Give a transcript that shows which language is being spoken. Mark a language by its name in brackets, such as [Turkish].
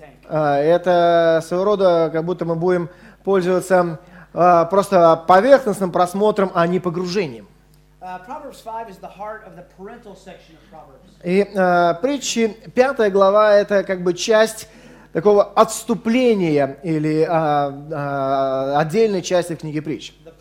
[Russian] Это своего рода, как будто мы будем пользоваться просто поверхностным просмотром, а не погружением. [English] Proverbs 5 is the heart of the parental section of Proverbs. [Russian] И притчи, 5 глава, это как бы часть такого отступления или отдельной части книги притч.